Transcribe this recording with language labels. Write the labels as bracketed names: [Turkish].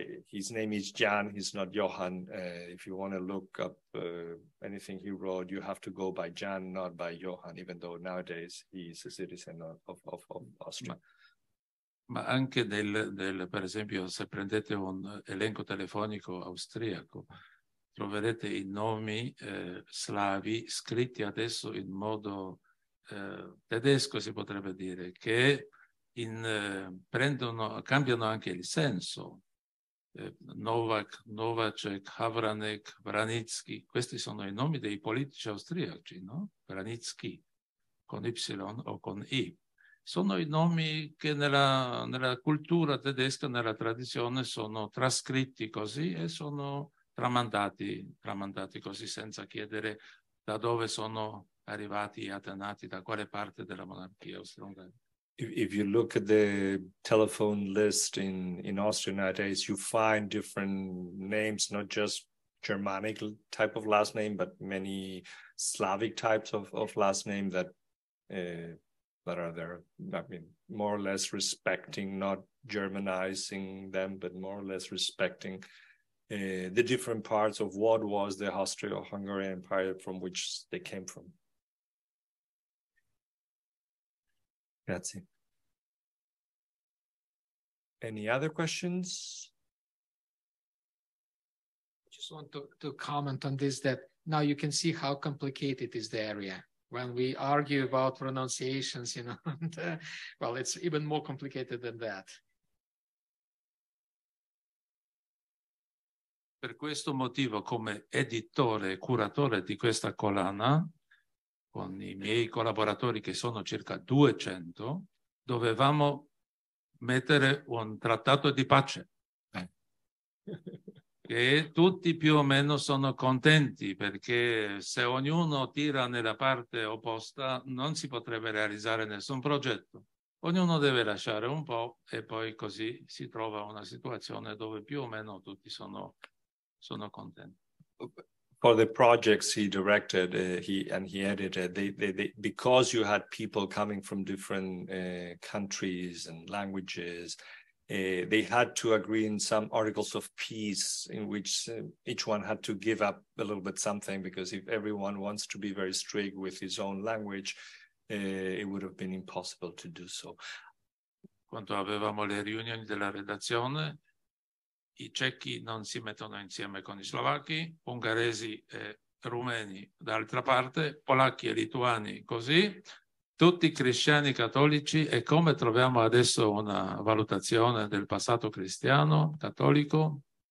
[English] His name is Jan, he's not Johann. If you want to look up anything he wrote, you have to go by Jan, not by Johann, even though nowadays he's a citizen of Austria. [Italian] Ma anche del per esempio, se prendete un elenco telefonico austriaco, troverete i nomi slavi scritti adesso in modo tedesco, si potrebbe dire, che cambiano anche il senso. Novak, Novacek, Havranek, Vranitsky, questi sono i nomi dei politici austriaci, no? Vranitsky con Y o con I. Sono i nomi che nella cultura tedesca, nella tradizione, sono trascritti così e sono tramandati così, senza chiedere da dove sono arrivati gli antenati, da quale parte della monarchia austriaca. [English] If you look at the telephone list in Austria nowadays, you find different names, not just Germanic type of last name, but many Slavic types of last name that are there. I mean, more or less respecting, not Germanizing them, but more or less respecting the different parts of what was the Austro-Hungarian Empire from which they came from. That's it. Any other questions? Just want to comment on this, that now you can see how complicated is the area. When we argue about pronunciations, you know, well, it's even more complicated than that. [Italian] Per questo motivo, come editore e curatore di questa collana, con i miei collaboratori che sono circa 200, dovevamo mettere un trattato di pace, che tutti più o meno sono contenti, perché se ognuno tira nella parte opposta non si potrebbe realizzare nessun progetto. Ognuno deve lasciare un po' e poi così si trova una situazione dove più o meno tutti sono contenti. [English] For the projects he directed, he edited, they, because you had people coming from different countries and languages, they had to agree in some articles of peace in which each one had to give up a little bit something, because if everyone wants to be very strict with his own language, it would have been impossible to do so. [Italian] Quando avevamo le riunioni della redazione, i cechi non si mettono insieme con i slovacchi, ungheresi e rumeni d'altra parte, polacchi e lituani così, tutti cristiani cattolici, e come troviamo adesso una valutazione del passato cristiano, cattolico,